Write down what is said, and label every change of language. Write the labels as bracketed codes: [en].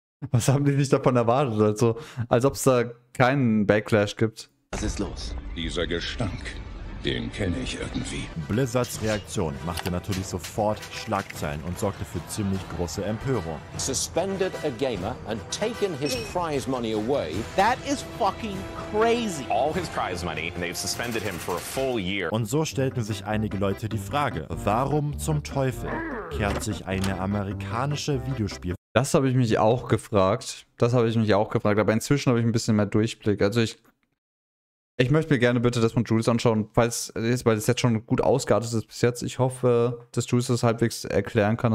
[de] Was haben die nicht davon erwartet? Also, als ob es da keinen Backlash gibt. Was ist los? Dieser Gestank. Den kenne ich irgendwie. Blizzards Reaktion machte natürlich sofort Schlagzeilen und sorgte für ziemlich große Empörung. [en] Suspended a gamer and taken his prize money away. That is fucking crazy. All his prize money and they've suspended him for a full year. [de] Und so stellten sich einige Leute die Frage, warum zum Teufel kehrt sich eine amerikanische Videospiel... Das habe ich mich auch gefragt. Aber inzwischen habe ich ein bisschen mehr Durchblick. Also Ich möchte mir gerne bitte das von Jules anschauen, weil es jetzt schon gut ausgeartet ist bis jetzt. Ich hoffe, dass Jules das halbwegs erklären kann.